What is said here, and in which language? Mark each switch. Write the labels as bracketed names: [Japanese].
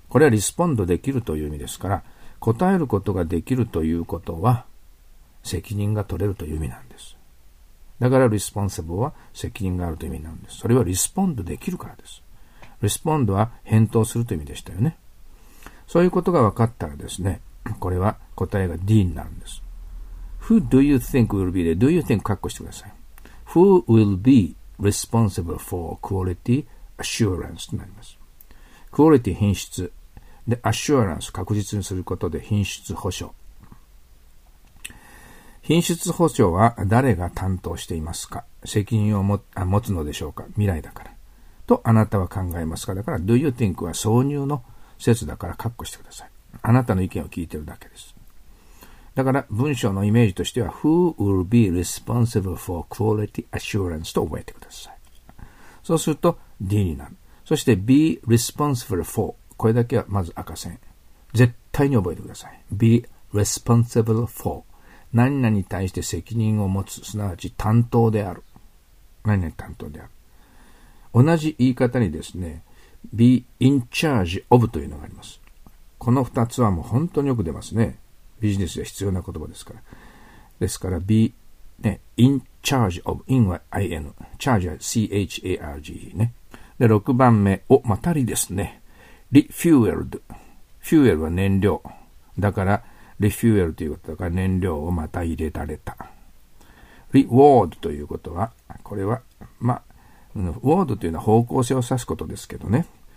[Japanese] これはリスポンドできるという意味ですから、答えることができるということは、責任が取れるという意味なんです。だからリスポンセブルは責任があるという意味なんです。それはリスポンドできるからです。リスポンドは返答するという意味でしたよね。そういうことが分かったらですね、これは答えが D になるんです。 [English] Who do you think will be で、do you think [Japanese] 括弧してください。 [English] Who will be responsible for quality assurance となります。 [Japanese] Quality 品質。で、assurance 確実にすることで品質保証。品質保証は誰が担当していますか？責任を持つのでしょうか？未来だから。とあなたは考えますか？だから [English] Do you think [Japanese] は挿入の説だから括弧してください。あなたの意見を聞いてるだけです。だから文章のイメージとしては [English] Who will be responsible for quality assurance [Japanese] と覚えてください。そうすると D になる。そして [English] Be responsible for [Japanese] これだけはまず赤線。絶対に覚えてください。 [English] Be responsible for [Japanese] 何々に対して責任を持つ、すなわち担当である。何々担当である。同じ言い方にですね、 [English] be in charge of [Japanese] というのがあります。この二つはもう本当によく出ますね。ビジネスで必要な言葉ですから。ですから、be、ね、in charge of、in は in、charge は charge ね。で、六番目、お、またりですね。 refueled。 fuel は燃料。だから、リフューエルということだから燃料をまた入れられた。リワードということは、これは、まあ、ワードというのは方向性を指すことですけどね。